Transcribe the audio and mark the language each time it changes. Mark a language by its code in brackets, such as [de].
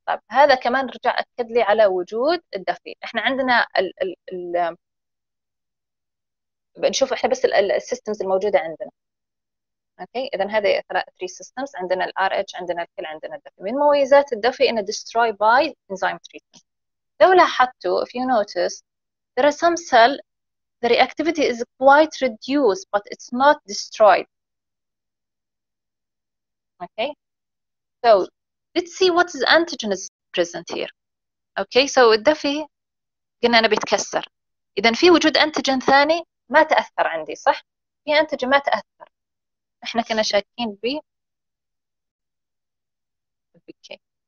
[ar] طيب هذا كمان رجع أكد لي على وجود الدفي. إحنا عندنا ال بنشوف إحنا بس السيستمز الموجودة عندنا. أوكي إذا هذا ثري سيستمز عندنا الآر إتش عندنا الكل عندنا الدفي. من مميزات الدفي إنه [en] destroy by enzyme treatment. [ar] لو لاحظتوا [en] if you notice there are some cell the reactivity is quite reduced but it's not destroyed. Okay so let's see what the antigen is present here. [ar] Okay, so الدفي قلنا أنا بيتكسر. إذا في وجود antigen ثاني ما تأثر عندي صح؟ في antigen ما تأثر. إحنا كنا شاكين ب. [en] Okay.